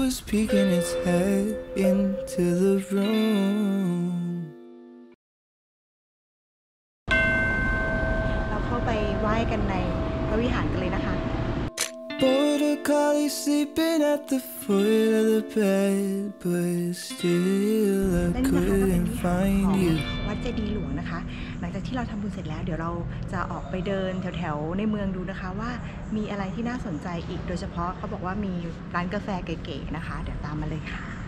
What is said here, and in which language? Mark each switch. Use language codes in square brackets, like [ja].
[en] Peeking its head into the room. [th] เราเข้าไปไหว้กันในพระวิหารกันเลยนะคะ [en] Border collie sleeping at the foot of the bed, but still I couldn't find you. [th] วัดเจดีย์หลวงนะคะังจากที่เราทำบุญเสร็จแล้วเดี๋ยวเราจะออกไปเดินแถวๆในเมืองดูนะคะว่ามีอะไรที่น่าสนใจอีกโดยเฉพาะเขาบอกว่ามีร้านกาแฟเก๋ๆนะคะเดี๋ยวตามมาเลยค่ะ